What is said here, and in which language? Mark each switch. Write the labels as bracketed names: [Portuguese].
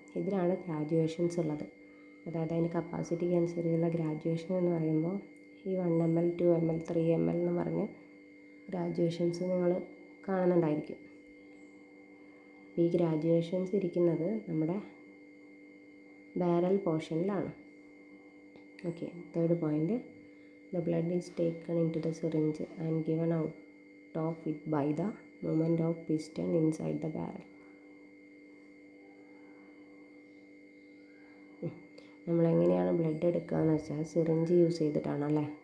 [Malayalam] ഇതിലാണ് ഗ്രാജുവേഷൻസ് ഉള്ളത്. അതായത് അതിന് കപ്പാസിറ്റിക്ക് അനുസരിച്ചുള്ള ഗ്രാജുവേഷൻ എന്ന് പറയുമ്പോൾ ഈ 1 ml, 2 ml, 3 ml എന്ന് പറഞ്ഞ് ഗ്രാജുവേഷൻസ് നിങ്ങൾ കാണുന്നുണ്ടായിരിക്കും. ഈ ഗ്രാജുവേഷൻസ് ഇരിക്കുന്നത് നമ്മുടെ barrel പോർഷനിലാണ്. Okay, third point, [English] The blood is taken into the syringe and given out of it by the movement of piston inside the barrel. [Malayalam] നമ്മളെങ്ങനെയാണ് blood എടുക്കുകയെന്ന് വെച്ചാൽ സിറിഞ്ച് യൂസ് ചെയ്തിട്ടാണ് അല്ലേ.